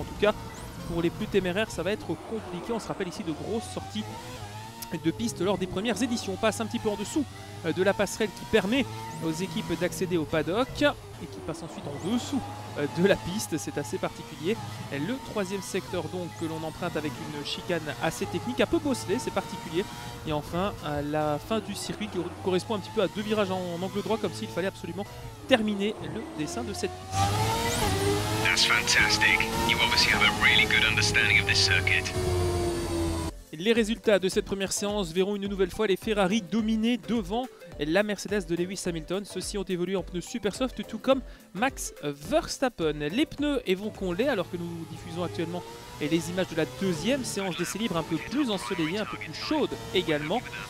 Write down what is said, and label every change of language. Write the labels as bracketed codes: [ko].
[fr] En tout cas, pour les plus téméraires, ça va être compliqué. On se rappelle ici de grosses sorties de piste lors des premières éditions. On passe un petit peu en dessous de la passerelle qui permet aux équipes d'accéder au paddock et qui passe ensuite en dessous de la piste. C'est assez particulier. Le troisième secteur donc que l'on emprunte avec une chicane assez technique, un peu bosselée, c'est particulier. Et enfin, la fin du circuit qui correspond un petit peu à deux virages en angle droit, comme s'il fallait absolument terminer le dessin de cette piste. [en] That's fantastic. You obviously have a really good understanding of this circuit. [fr] Les résultats de cette première séance verront une nouvelle fois les Ferrari dominer devant la Mercedes de Lewis Hamilton. Ceux-ci ont évolué en pneus super soft, tout comme Max Verstappen. Les pneus vont qu'on l'est, alors que nous diffusons actuellement les images de la deuxième séance d'essai libre, un peu plus ensoleillée, un peu plus chaude également.